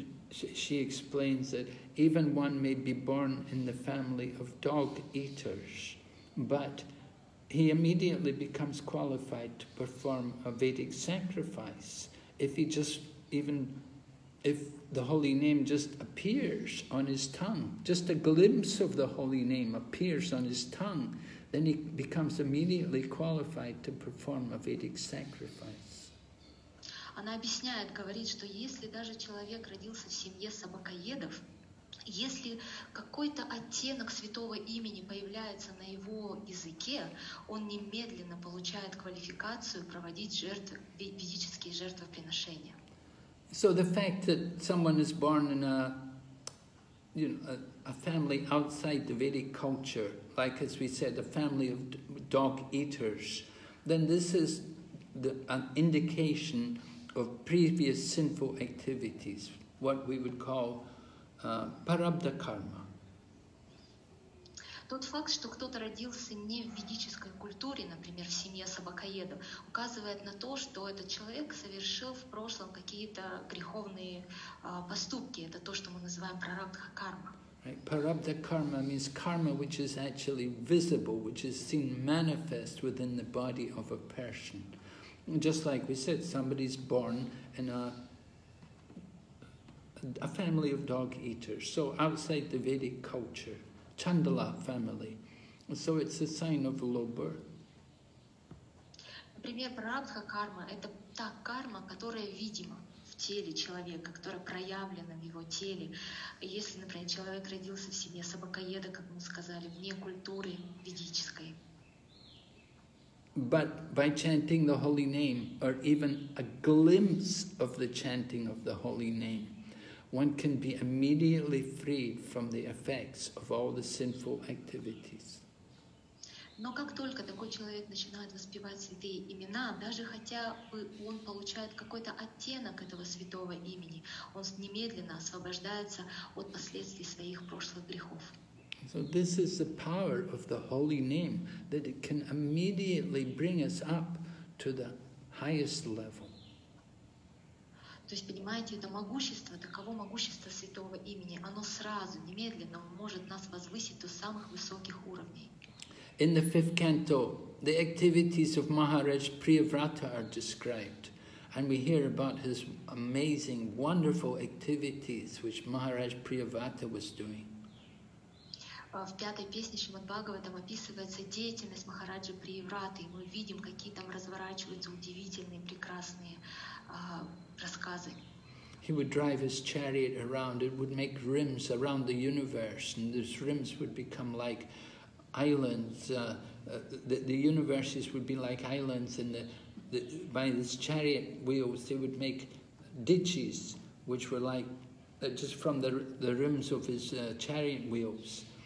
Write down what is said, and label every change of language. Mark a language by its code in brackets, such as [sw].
[en] She explains that even one may be born in the family of dog eaters, but he immediately becomes qualified to perform a Vedic sacrifice if the holy name just appears on his tongue. Just a glimpse of the holy name appears on his tongue, then he becomes immediately qualified to perform a Vedic sacrifice. [ru] Она объясняет, говорит, что если даже человек родился в семье собакоедов, если какой-то оттенок святого имени появляется на его языке, он немедленно получает квалификацию проводить жертвы, ведические жертвоприношения. [en] So the fact that someone is born in a, you know, a family outside the Vedic culture, like as we said, a family of dog eaters, then this is an indication of previous sinful activities, what we would call парабдха карма. [ru] Тот факт, что кто-то родился не в ведической культуре, например, в семье собакоедов, указывает на то, что этот человек совершил в прошлом какие-то греховные поступки. Это то, что мы называем парабдха карма. [en] Парабдха карма means karma which is actually visible, which is seen manifest within the body of a person. Just like we said, somebody's born in a family of dog eaters, so outside the Vedic culture, Chandala family, so it's a sign of low birth. [ru] Например, парабдха карма – это та карма, которая видима в теле человека, которая проявлена в его теле. Если, например, человек родился в семье собакоеда, как мы сказали, вне культуры ведической. [en] But by chanting the holy name, or even a glimpse of the chanting of the holy name, one can be immediately freed from the effects of all the sinful activities. [ru] Но как только такой человек начинает воспевать святые имена, даже хотя бы он получает какой-то оттенок этого святого имени, он немедленно освобождается от последствий своих прошлых грехов. [en] So this is the power of the holy name, that it can immediately bring us up to the highest level. [ru] То есть, понимаете, это могущество, таково могущество святого имени, оно сразу, немедленно может нас возвысить до самых высоких уровней. [en] In the fifth canto, the activities of Maharaj Priyavrata are described, and we hear about his amazing, wonderful activities which Maharaj Priyavrata was doing. [ru] В пятой песне Шримад-Бхагаватам описывается деятельность Махараджи Приевраты, и мы видим, какие там разворачиваются удивительные, прекрасные рассказы. [en] He would drive his chariot around, it would make rims around the universe, and those rims would become like islands, the universes would be like islands, and by his chariot wheels they would make ditches, which were like, just from the rims of his chariot wheels.